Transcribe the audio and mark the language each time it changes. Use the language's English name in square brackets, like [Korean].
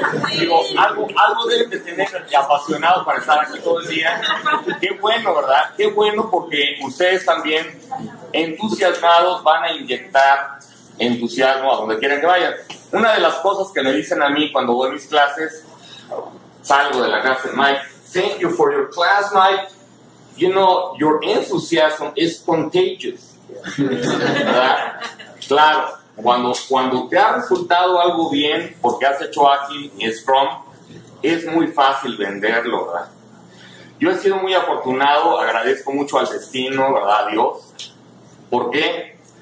[Spanish] Digo, algo deben de tener y apasionado para estar aquí todo el día. Qué bueno, ¿verdad? Qué bueno, porque ustedes también, entusiasmados, van a inyectar entusiasmo a donde quieran que vayan. Una de las cosas que me dicen a mí cuando doy mis clases, salgo de la clase, Mike, [English] thank you for your class, [Spanish] Mike. [English] You know, your enthusiasm is contagious. [Spanish] ¿Verdad? Claro, cuando te ha resultado algo bien porque has hecho ágil y Scrum, es muy fácil venderlo, ¿verdad? Yo he sido muy afortunado, agradezco mucho al destino, ¿verdad?, a Dios. ¿Por qué?